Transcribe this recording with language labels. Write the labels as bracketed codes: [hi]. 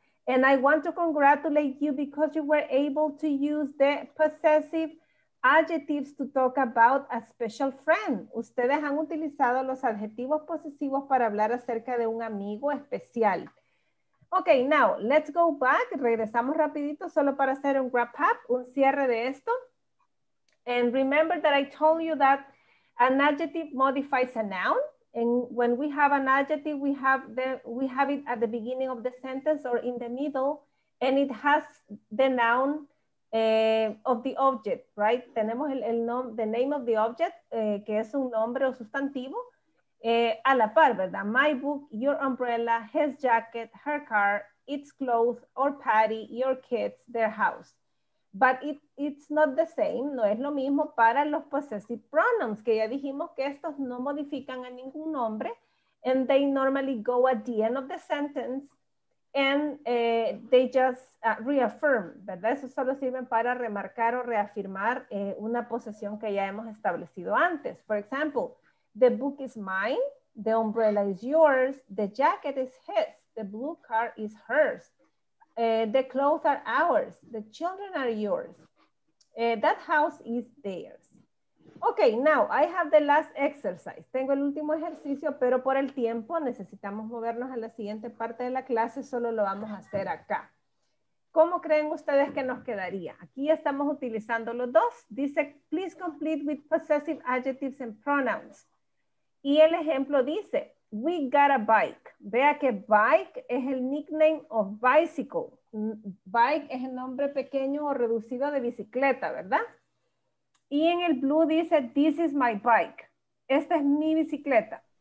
[en] And I want to congratulate you because you were able to use the possessive adjectives to talk about a special friend. [es] Ustedes han utilizado los adjetivos posesivos para hablar acerca de un amigo especial. Okay, now let's go back. Regresamos rapidito solo para hacer un wrap up, un cierre de esto. [en] And remember that I told you that an adjective modifies a noun. And when we have an adjective, we have it at the beginning of the sentence or in the middle, and it has the noun of the object, right? [es] Tenemos [en] the name of the object, [es] que es un nombre o sustantivo. A la par, ¿verdad? [en] My book, your umbrella, his jacket, her car, its clothes, or Patty, your kids, their house. But it's not the same, [es] no es lo mismo para los [en] possessive pronouns, [es] que ya dijimos que estos no modifican a ningún nombre, [en] and they normally go at the end of the sentence, and they just reaffirm, ¿verdad? [es] Eso solo sirve para remarcar o reafirmar una posesión que ya hemos establecido antes. [en] For example, the book is mine, the umbrella is yours, the jacket is his, the blue car is hers, the clothes are ours, the children are yours, that house is theirs. Okay, now I have the last exercise. [es] Tengo el último ejercicio, pero por el tiempo necesitamos movernos a la siguiente parte de la clase, solo lo vamos a hacer acá. ¿Cómo creen ustedes que nos quedaría? Aquí estamos utilizando los dos. Dice, [en] please complete with possessive adjectives and pronouns. [es] Y el ejemplo dice, [en] we got a bike. [es] Vea que bike es el [en] nickname of bicycle. [es] Bike es el nombre pequeño o reducido de bicicleta, ¿verdad? Y en el blue dice, [en] this is my bike. [es] Esta es mi bicicleta.